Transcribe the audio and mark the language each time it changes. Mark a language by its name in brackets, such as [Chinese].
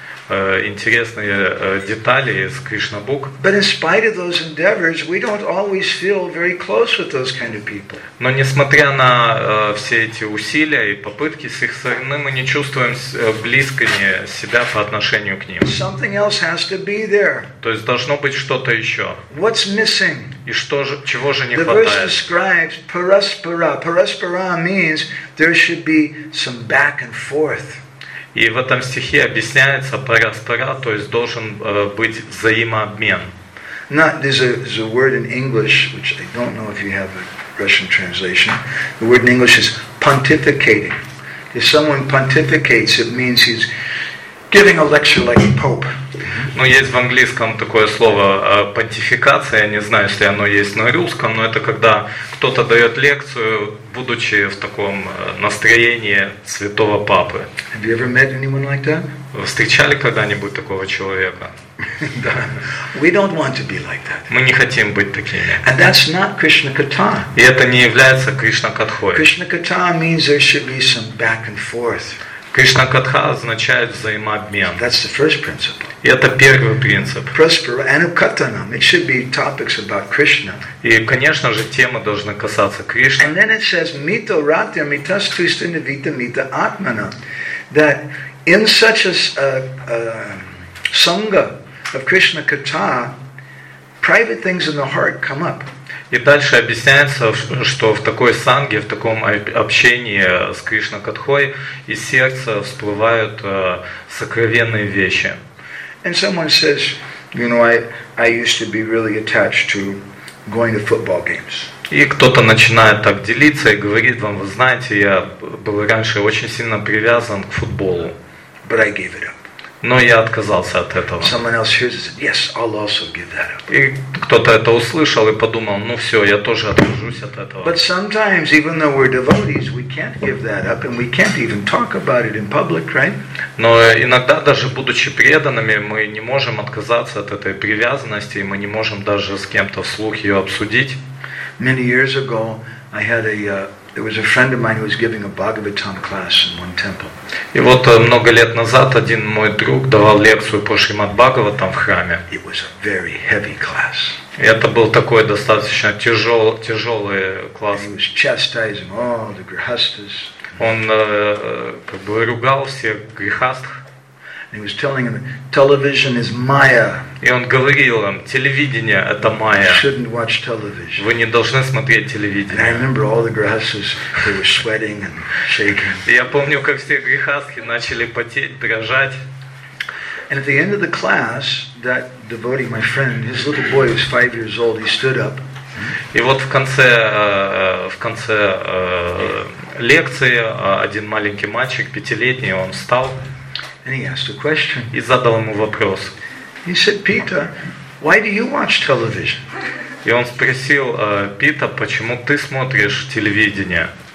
[Russian] интересные детали из Кришна Бук. [English] But in spite of those endeavors, we don't always feel very close with those kind of people. [Russian] Но несмотря на все эти усилия и попытки с их стороны, мы не чувствуем близкими себя по отношению к ним. [English] Something else has to be there. [Russian] То есть должно быть что-то еще. [English] What's missing? [Russian] И что же, чего же не [English] the [Russian] хватает? [English] The verse describes paraspara. Paraspara means there should be some back and forth. [Russian] И в этом стихе объясняется параспара, то есть должен быть взаимообмен. [English] Not, there's a word in English, which I don't know if you have a Russian translation. The word in English is pontificating. If someone pontificates, it means he's giving a lecture like a pope. [Russian] Ну, есть в английском такое слово «понтификация», я не знаю, если оно есть на русском, но это когда кто-то дает лекцию, будучи в таком настроении святого папы. [English] Have you ever met anyone like that? [Russian] Вы встречали когда-нибудь такого человека? Да. [English] We don't want to be like that. [Russian] Мы не хотим быть такими. [English] And that's not Krishna Katha. [Russian] И это не является Кришна Катхой. [English] Krishna Katha means there should be some back and forth. [Russian] Кришна Катха означает взаимообмен. [English] That's the first principle. [Russian] И это первый принцип. [Sanskrit] Prospera anukatanam. [English] It should be topics about Krishna. [Russian] И, конечно же, тема должна касаться Кришны. [English] And then it says, [Sanskrit] mito ratya mitas tristina vita mita atmana. [English] That in such a sangha of Krishna Katha, private things in the heart come up. [Russian] И дальше объясняется, что в такой санге, в таком общении с Кришна Катхой из сердца всплывают сокровенные вещи. [English] And someone says, you know, I used to be really attached to going to football games. [Russian] И кто-то начинает так делиться и говорит вам, вы знаете, я был раньше очень сильно привязан к футболу. [English] But I gave it up. [Russian] Но я отказался от этого. [English] Someone else hears it, yes, I'll also give that up. [Russian] И кто-то это услышал и подумал, ну все, я тоже откажусь от этого. [English] But sometimes, even though we're devotees, we can't give that up, and we can't even talk about it in public, right? [Russian] Но иногда, даже будучи преданными, мы не можем отказаться от этой привязанности, и мы не можем даже с кем-то вслух ее обсудить. [English] Many years ago, I had there was a friend of mine who was giving a Bhagavatam class in one temple. [Russian] И вот много лет назад один мой друг давал лекцию по Шримад-Бхагаватам в храме. [English] It was a very heavy class. [Russian] И это был такой достаточно тяжелый класс. [English] And he was chastising all the grihasthas. [Russian] Он как бы ругал всех грихастх. [English] And he was telling them, television is maya. [Russian] И он говорил им, телевидение — это майя. [English] You shouldn't watch television. [Russian] Вы не должны смотреть телевидение. [English] And I remember all the grihasthas, they were sweating and shaking. [Russian] И я помню, как все грихастхи начали потеть, дрожать. [English] And at the end of the class, that devotee, my friend, his little boy was 5 years old, he stood up. [Russian] И вот в конце лекции один маленький мальчик, 5-летний, он встал. [English] And he asked a question. [Russian] И задал ему вопрос. [English] He said, Peter, why do you watch television? [Russian] И он спросил Пита, почему ты смотришь телевидение?